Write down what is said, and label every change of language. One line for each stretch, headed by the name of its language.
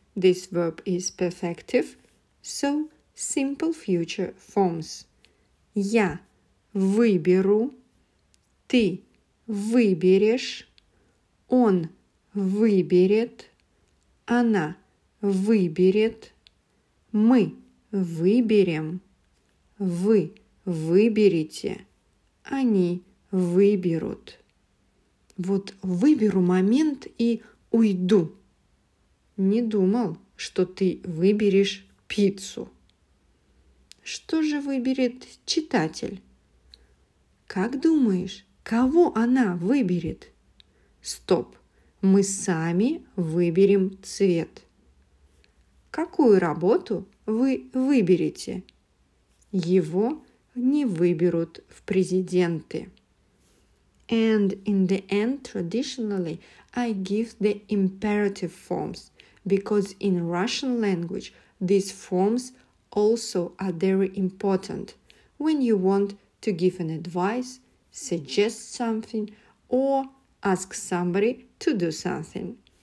English: This verb is perfective, so simple future forms.
Russian: Я выберу, ты выберешь, он выберет, она выберет, мы выберем, вы выберете, они выберут. Вот выберу момент и уйду. Не думал, что ты выберешь пиццу. Что же выберет читатель? Как думаешь, кого она выберет? Стоп, мы сами выберем цвет. Какую работу вы выберете? Его не выберут в президенты.
English: And in the end, traditionally, I give the imperative forms, because in Russian language, these forms also are very important when you want to give an advice, suggest something, or ask somebody to do something.